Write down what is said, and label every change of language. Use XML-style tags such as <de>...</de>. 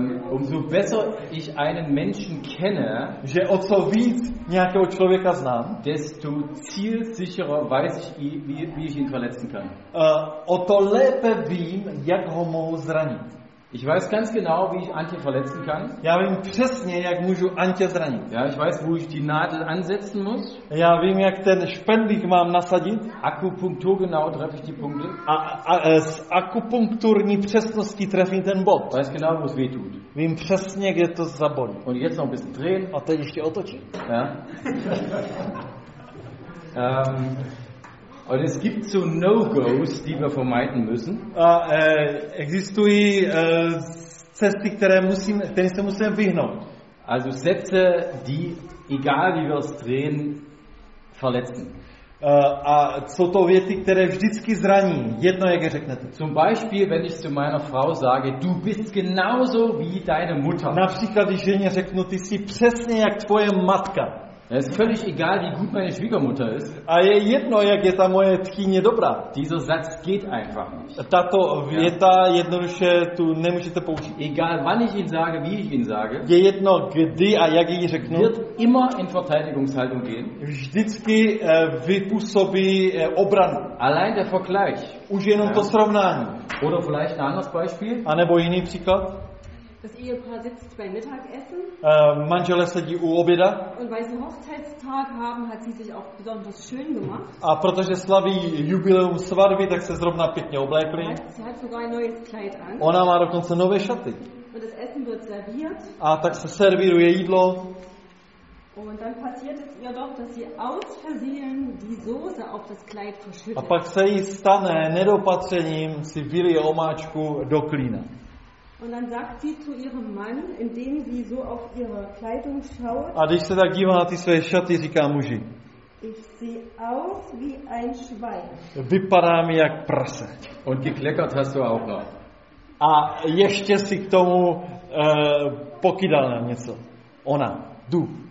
<de>umso besser ich einen Menschen kenne,</de> <cs>že o co víc nějakého člověka znám,</cs> <de>desto zielsicherer weiß ich, wie ich ihn verletzen kann.</de> <cs>O to lépe vím, jak ho mohu zranit.</cs> <de>Ich weiß ganz genau, wie ich Antje verletzen kann.</de> <cs>Já vím přesně, jak můžu Antje zranit.</cs> <de>Ja, ich weiß, wo ich die Nadel ansetzen muss.</de> <cs>Já vím, jak ten špendlík mám nasadit.</cs> <de>Akupunktur genau treffe ich die Punkte.</de> <cs>A s akupunkturní přesností trefím ten bod.</cs> <de>Weiß genau, wo es weh tut.</de> <cs>Vím přesně, kde to zabolí.</cs> <de>Und jetzt noch ein bisschen drehen.</de> <cs>A teď ještě otočím.</cs> <de>Ja. Und es gibt so No-Gos, die wir vermeiden müssen.</de> <cs>Existují cesty, které se musíme vyhnout.</cs> <de>Also Sätze, die, egal wie wir es drehen, verletzen.</de> <cs>A jsou to věty, které vždycky zraní, jedno jak je řeknete.</cs> <de>Zum Beispiel, wenn ich zu meiner Frau sage, du bist genauso wie deine Mutter.</de> <cs>Například, když ženě řeknu, ty jsi přesně jak tvoje matka.</cs> <de>Es ist völlig egal, wie gut meine Schwiegermutter ist.</de> <cs>A je jedno, jak je ta moje tchyně dobrá.</cs> <de>Dieser Satz geht einfach nicht.</de> <cs>Tato věta jednoduše tu nemůžete použít.</cs> <de>Egal, wann ich ihn sage, wie ich ihn sage.</de> <cs>Je jedno, kdy a jak ji řeknu.</cs> <de>Wird immer in Verteidigungshaltung gehen.</de> <cs>Vždycky vypůsobí obranu.</cs> <de>Allein der Vergleich.</de> <cs>Už jenom to srovnání.</cs> <de>Oder vielleicht ein anderes Beispiel.</de> <cs>A nebo jiný příklad.</cs> <de>Das Ehepaar sitzt beim Mittagessen.</de> <cs>Manželé sedí u oběda.</cs> <de>Und weil sie Hochzeitstag haben, hat sie sich auch besonders schön gemacht.</de> <cs>A protože slaví jubileum svatby, tak se zrovna pěkně oblékli.</cs> <de>Sie hat sogar ein neues Kleid an.</de> <cs>Ona má dokonce nové šaty.</cs> <de>Und das Essen wird serviert.</de> <cs>A tak se servíruje jídlo.</cs> <de>Und dann passiert es ihr doch, dass sie aus Versehen die Soße auf das Kleid verschüttet.</de> <cs>A pak se jí stane nedopatřením, si vylije omáčku do klína.</cs> <de>Und dann sagt sie zu ihrem Mann, indem sie so auf ihre Kleidung schaut.</de> <cs>A když se tak dívá na ty své šaty, říká muži.</cs> <de>Ich sehe aus wie ein Schwein.</de> <cs>Vypadám jak prase.</cs> <de>Und gekleckert hast du auch noch.</de> <cs>A ještě si k tomu pokydal na něco. Ona, du.</cs>